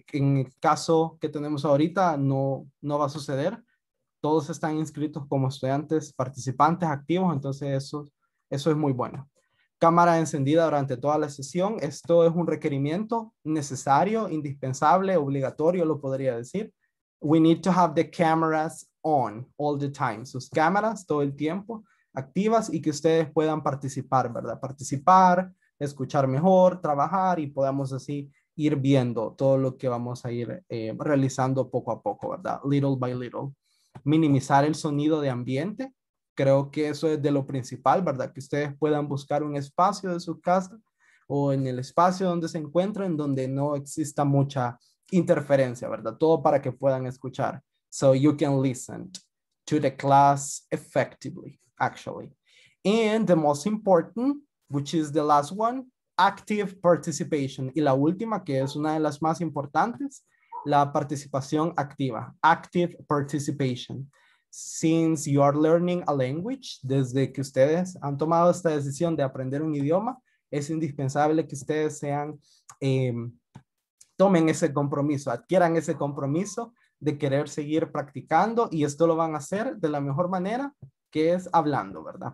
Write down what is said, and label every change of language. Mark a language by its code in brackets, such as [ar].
[es] En el caso que tenemos ahorita, no va a suceder. Todos están inscritos como estudiantes, participantes, activos. Entonces, eso es muy bueno. Cámara encendida durante toda la sesión. Esto es un requerimiento necesario, indispensable, obligatorio, lo podría decir. [en] We need to have the cameras on all the time. [es] Sus cámaras todo el tiempo activas y que ustedes puedan participar, ¿verdad? Participar, escuchar mejor, trabajar y podamos así ir viendo todo lo que vamos a ir realizando poco a poco, ¿verdad? [en] Little by little. [es] Minimizar el sonido de ambiente. Creo que eso es de lo principal, ¿verdad? Que ustedes puedan buscar un espacio de su casa o en el espacio donde se encuentren donde no exista mucha interferencia, ¿verdad? Todo para que puedan escuchar. [en] So you can listen to the class effectively, actually. And the most important, which is the last one, active participation. [es] Y la última, que es una de las más importantes, la participación activa, active participation. [en] Since you are learning a language, [es] desde que ustedes han tomado esta decisión de aprender un idioma, es indispensable que ustedes sean, tomen ese compromiso, adquieran ese compromiso de querer seguir practicando y esto lo van a hacer de la mejor manera, que es hablando, ¿verdad?